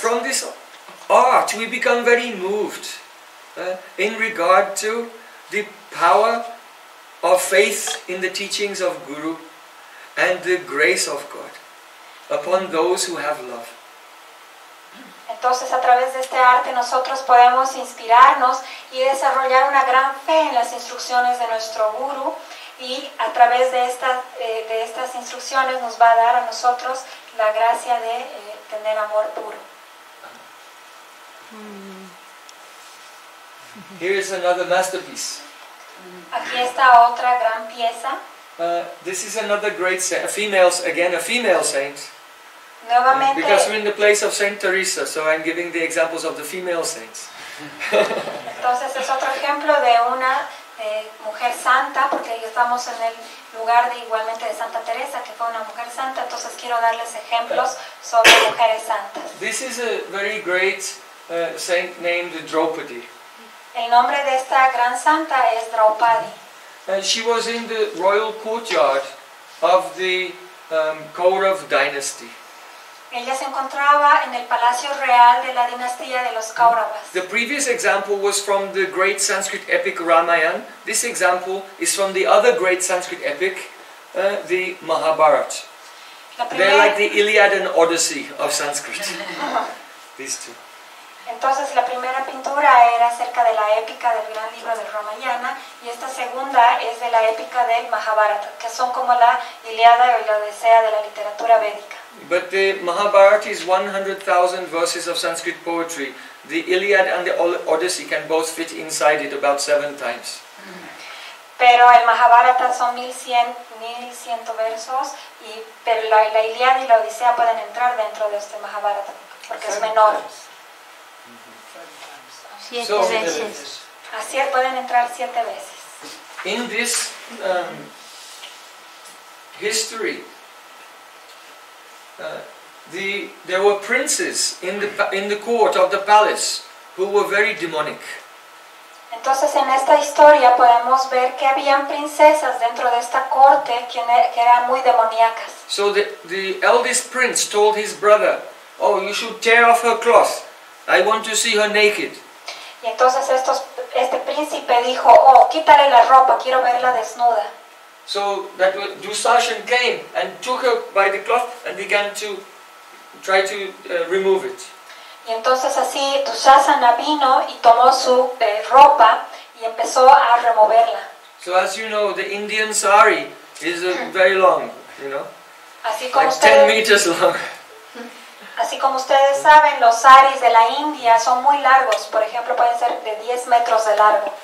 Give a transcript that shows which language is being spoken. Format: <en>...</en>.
<en>From this art, we become very moved in regard to the power of faith in the teachings of Guru and the grace of God upon those who have love.</en> <es>Entonces, a través de este arte, nosotros podemos inspirarnos y desarrollar una gran fe en las instrucciones de nuestro Guru, y a través de estas instrucciones nos va a dar a nosotros la gracia de tener amor puro.</es> <en>Here is another masterpiece.</en> <es>Aquí está otra gran pieza.</es> <en>This is another great saint, a female saint.</en> <es>Nuevamente.</es> <en>Because we're in the place of Saint Teresa, so I'm giving the examples of the female saints.</en> <es>Entonces es otro ejemplo de una mujer santa, porque estamos en el lugar de igualmente de Santa Teresa, que fue una mujer santa. Entonces quiero darles ejemplos sobre mujeres santas.</es> <en>This is a very great saint named Draupadi.</en> <es>El nombre de esta gran santa es Draupadi.</es> <en>And she was in the royal courtyard of the Kaurav dynasty.</en> <es>Ella se encontraba en el palacio real de la dinastía de los Kauravas.</es> <en>The previous example was from the great Sanskrit epic Ramayana. This example is from the other great Sanskrit epic, the Mahabharata. They're like the Iliad and Odyssey of Sanskrit. These two.</en> <es>Entonces la primera pintura era acerca de la épica del gran libro de Ramayana y esta segunda es de la épica del Mahabharata, que son como la Ilíada y la Odisea de la literatura védica.</es> <en>But the Mahabharata is 100,000 verses of Sanskrit poetry. The Iliad and the Odyssey can both fit inside it about 7 times.</en> <es>Pero el Mahabharata son 1100 versos y pero la Ilíada y la Odisea pueden entrar dentro de este Mahabharata porque es menor. Siete veces. Así pueden entrar 7 veces.</es> <en>In this history, there were princes in the court of the palace who were very demonic.</en> <es>Entonces en esta historia podemos ver que habían princesas dentro de esta corte que eran muy demoníacas.</es> <en>So the eldest prince told his brother, "Oh, you should tear off her cloth. I want to see her naked."</en> <es>Y entonces este príncipe dijo, "Oh, quítale la ropa, quiero verla desnuda."</es> <en>So that Dushasan came and took her by the cloth and began to try to remove it.</en> <es>Y entonces así Dushasana vino y tomó su ropa y empezó a removerla.</es> <en>So as you know, the Indian sari is very long, you know.</en> <es>Así como</es> <en>like</en> <es>ustedes,</es> <en>10 meters long.</en> <es>Así como ustedes saben, los saris de la India son muy largos, por ejemplo, pueden ser de 10 metros de largo.</es>